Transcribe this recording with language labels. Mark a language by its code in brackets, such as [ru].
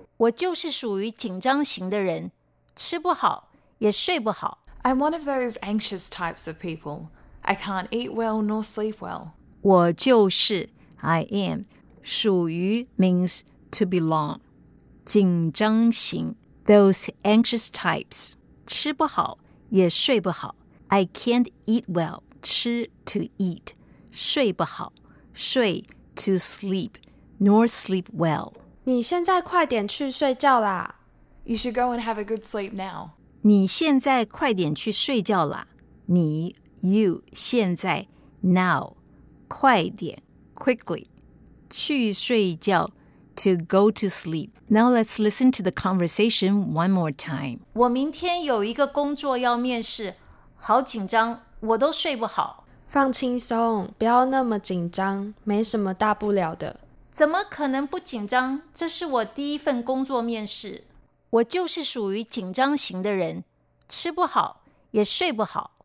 [zh] 我就是属于紧张型的人，吃不好，也睡不好。 [en] I'm one of those anxious types of people. I can't eat well nor sleep well. [zh] 我就是 [en] I am. 属于 means to belong. 紧张型 those anxious types. [zh] 吃不好也睡不好 [en] I can't eat well. 吃 to eat. 睡不好睡 to sleep. Nor sleep well. [zh] 你现在快点去睡觉啦。 [en] You should go and have a good sleep now. [zh] 你现在快点去睡觉啦。你 you 现在 now 快点 quickly 去睡觉 [en] to go to sleep. Now let's listen to the conversation one more time. [zh] 我明天有一个工作要面试，好紧张，我都睡不好。放轻松，不要那么紧张，没什么大不了的。怎么可能不紧张？这是我第一份工作面试。我就是属于紧张型的人，吃不好，也睡不好。